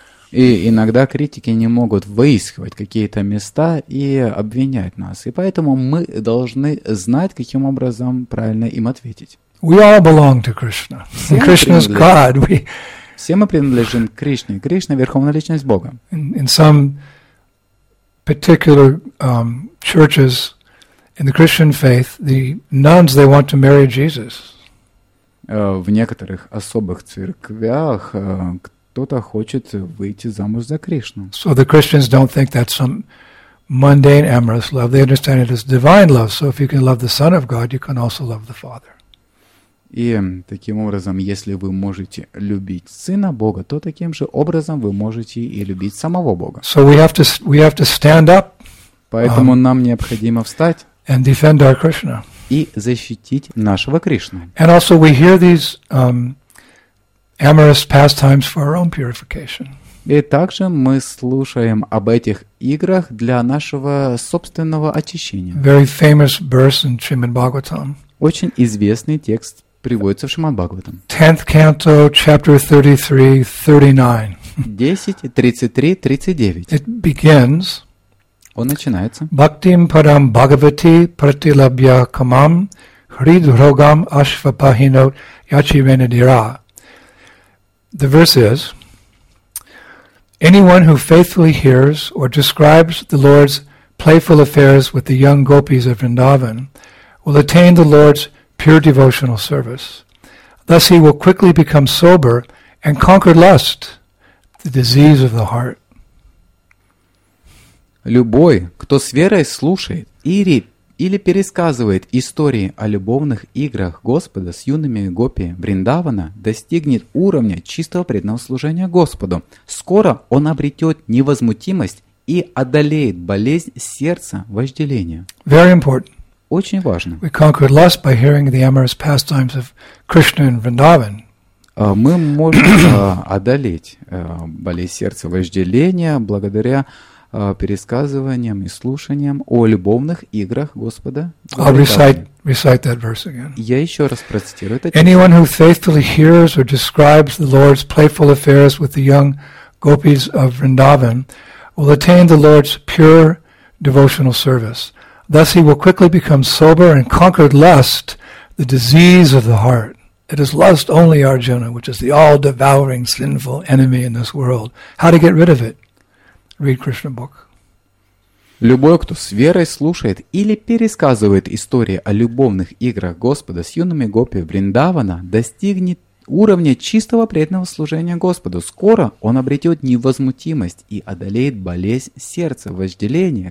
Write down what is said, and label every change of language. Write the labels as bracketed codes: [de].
[ru] И иногда критики не могут выискивать какие-то места и обвинять нас. И поэтому мы должны знать, каким образом правильно им ответить. [en] We all belong to Krishna. Krishna's God. [ru] Все мы принадлежим Кришне. Кришна — Верховная Личность Бога. [en] In some particular churches in the Christian faith, the nuns, they want to marry Jesus. [ru] В некоторых особых церквях кто-то хочет выйти замуж за Кришну. [en] So the Christians don't think that's some mundane amorous love. They understand it as divine love. So if you can love the Son of God, you can also love the Father. [ru] И таким образом, если вы можете любить Сына Бога, то таким же образом вы можете и любить самого Бога. [en] So we have to stand up. [ru] Поэтому нам необходимо встать [en] and defend our Krishna. [ru] И защитить нашего Кришну. [en] And also we hear these amorous pastimes for our own purification. [ru] И также мы слушаем об этих играх для нашего собственного очищения. [en] Very famous verse in Srimad Bhagavatam. [ru] Очень известный текст приводится в Шримад-Бхагаватам. [en] 10th canto, chapter 33-39. [ru] 10:33-39. [en] It begins. [ru] Он начинается. [sa] Бхактим парам бхагавати пратилабья камам хридрогам ашвапахино ячивенадира. [en] The verse is, anyone who faithfully hears or describes the Lord's playful affairs with the young gopis of Vrindavan will attain the Lord's pure devotional service. Thus he will quickly become sober and conquer lust, the disease of the heart. [ru] Любой, кто с верой слушает или пересказывает истории о любовных играх Господа с юными гопи Вриндавана, достигнет уровня чистого преданного служения Господу. Скоро он обретет невозмутимость и одолеет болезнь сердца вожделения. [en] Very important. [ru] Очень важно. [en] We conquered lust by hearing the amorous pastimes of Krishna and Vrindavan. [ru] Мы можем одолеть болезнь сердца вожделения благодаря пересказыванием и слушанием о любовных играх Господа. [en] I'll recite that verse again. [ru] Я еще раз процитирую это. [en] Anyone who faithfully hears or describes the Lord's playful affairs with the young gopis of Vrindavan will attain the Lord's pure devotional service. Thus he will quickly become sober and conquer lust, the disease of the heart. It is lust only, Arjuna, which is the all-devouring sinful enemy in this world. How to get rid of it? Read Krishna book. [ru] Любой, кто с верой слушает или пересказывает истории о любовных играх Господа с юными гопи Вриндавана, достигнет уровня чистого преданного служения Господу. Скоро он обретет невозмутимость и одолеет болезнь сердца, вожделение.